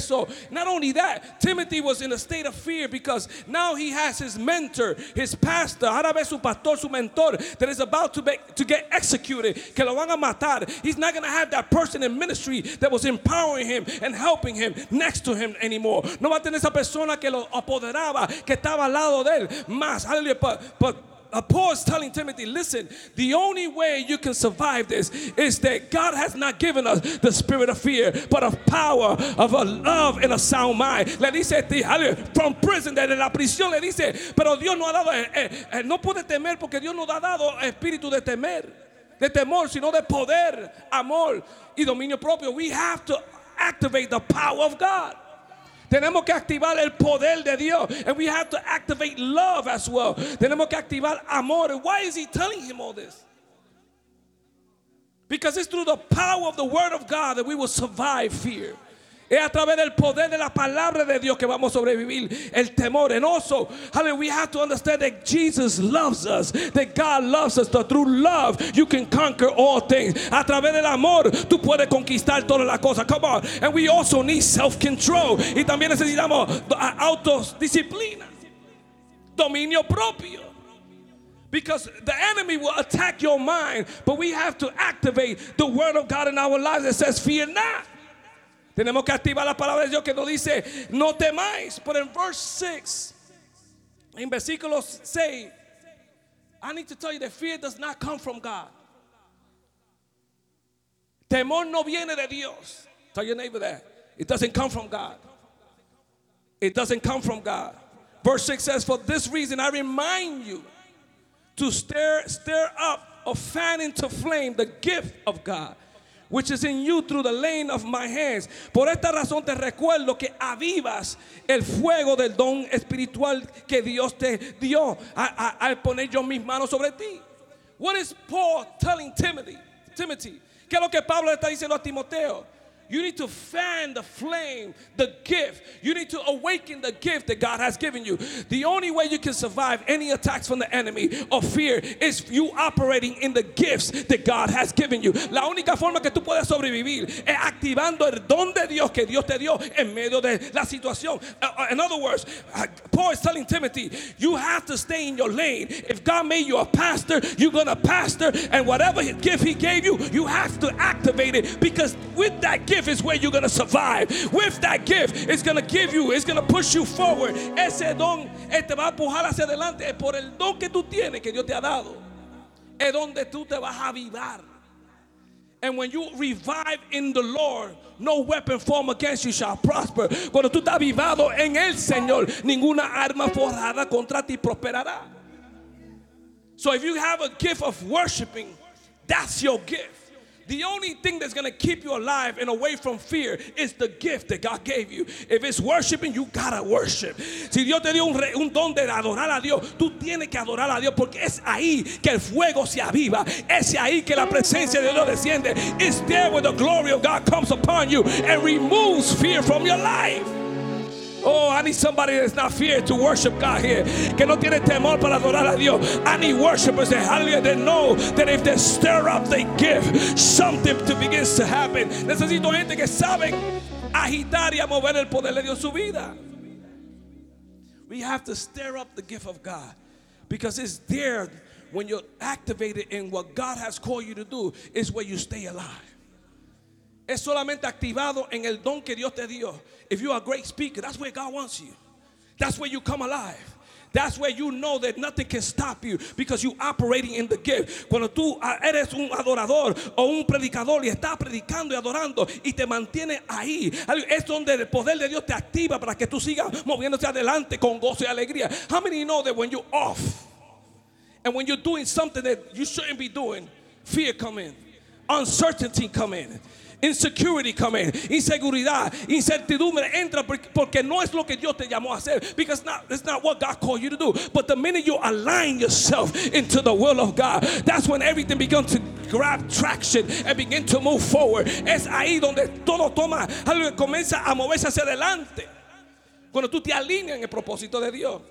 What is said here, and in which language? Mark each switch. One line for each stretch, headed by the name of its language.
English: So not only that, Timothy was in a state of fear because now he has his mentor, his pastor.
Spanish: Ahora ve su pastor, su mentor,
English: that is about to get executed.
Spanish: Que lo van a matar.
English: He's not going to have that person in ministry that was empowering him and helping him next to him anymore.
Spanish: No va a tener esa persona que lo apoderaba, que estaba al lado de él más. Hallelujah.
English: Paul is telling Timothy, listen, the only way you can survive this is that God has not given us the spirit of fear, but of power, of a love, and a sound mind.
Spanish: Le dice,
English: from prison,
Spanish: de la prisión, le dice, pero Dios no ha dado, no puede temer porque Dios no ha dado espíritu de temer, de temor, sino de poder, amor, y dominio propio.
English: We have to activate the power of God.
Spanish: Tenemos que activar el poder de Dios.
English: And we have to activate love as well.
Spanish: Tenemos que activar amor.
English: Why is he telling him all this? Because it's through the power of the word of God that we will survive fear.
Spanish: Es a través del poder de la palabra de Dios que vamos a sobrevivir el temor.
English: And also, hallelujah, we have to understand that Jesus loves us, that God loves us. That through love, you can conquer all things.
Spanish: A través del amor, tú puedes conquistar todas las cosas.
English: Come on. And we also need self-control.
Spanish: Y también necesitamos autodisciplina, dominio propio.
English: Because the enemy will attack your mind, but we have to activate the word of God in our lives that says, fear not.
Spanish: Tenemos que activar la palabra de Dios que nos dice, no temáis.
English: But in verse 6,
Spanish: in versículo 6,
English: I need to tell you that fear does not come from God.
Spanish: Temor no viene de Dios.
English: Tell your neighbor that. It doesn't come from God. It doesn't come from God. Verse 6 says, for this reason I remind you to stir up or fan into flame the gift of God, which is in you through the laying of my hands.
Spanish: Por esta razón te recuerdo que avivas el fuego del don espiritual que Dios te dio al poner yo mis manos sobre ti.
English: What is Paul telling Timothy?
Spanish: ¿Qué es lo que Pablo está diciendo a Timoteo?
English: You need to fan the flame, the gift. You need to awaken the gift that God has given you. The only way you can survive any attacks from the enemy or fear is you operating in the gifts that God has given you.
Spanish: La única forma que tú puedes sobrevivir es activando el don de Dios que Dios te dio en medio de la situación.
English: In other words, Paul is telling Timothy, you have to stay in your lane. If God made you a pastor, you're going to pastor. And whatever gift he gave you, you have to activate it, because with that gift is where you're going to survive. With that gift, it's going to give you, it's going to push you forward.
Spanish: Ese don te va a empujar hacia adelante. Es por el don que tú tienes, que Dios te ha dado, es donde tú te vas a avivar.
English: And when you revive in the Lord, no weapon formed against you shall prosper.
Spanish: Cuando tú estás avivado en el Señor, ninguna arma forjada contra ti prosperará.
English: So if you have a gift of worshiping, that's your gift. The only thing that's going to keep you alive and away from fear is the gift that God gave you. If it's worshiping, you gotta worship.
Spanish: Si Dios te dio un don de adorar a Dios, tú tienes que adorar a Dios, porque es ahí que el fuego se aviva. Es ahí que la presencia de Dios desciende.
English: It's there where the glory of God comes upon you and removes fear from your life. Oh, I need somebody that's not feared to worship God here.
Spanish: Que no tiene temor para adorar a Dios.
English: I need worshipers that, hallelujah, they know that if they stir up, they give something to begin to happen.
Spanish: Necesito gente que sabe agitar y a mover el poder de Dios en su vida.
English: We have to stir up the gift of God. Because it's there when you're activated in what God has called you to do, is where you stay alive.
Spanish: Es solamente activado en el don que Dios te dio.
English: If you are a great speaker, that's where God wants you. That's where you come alive. That's where you know that nothing can stop you because you're operating in the gift.
Spanish: Cuando tú eres un adorador o un predicador y estás predicando y adorando y te mantiene ahí, es donde el poder de Dios te activa para que tú sigas moviéndote adelante con gozo y alegría.
English: How many know that when you're off and when you're doing something that you shouldn't be doing, fear come in, uncertainty come in, insecurity come in,
Spanish: inseguridad, incertidumbre entra porque no es lo que Dios te llamó a hacer,
English: because it's not what God called you to do. But the minute you align yourself into the will of God, that's when everything begins to grab traction and begin to move forward.
Spanish: Es ahí donde todo toma, aleluya, comienza a moverse hacia adelante. Cuando tú te alineas en el propósito de Dios.